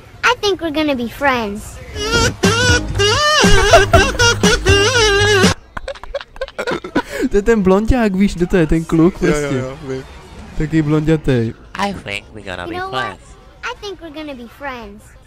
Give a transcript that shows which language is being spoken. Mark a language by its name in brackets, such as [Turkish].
[English] I think we're gonna be friends. [Czech] To je ten blonďák, víš, kde to je, ten kluk, prostě. Taký blondětej. [English] I think we're gonna be friends. I think we're gonna be friends.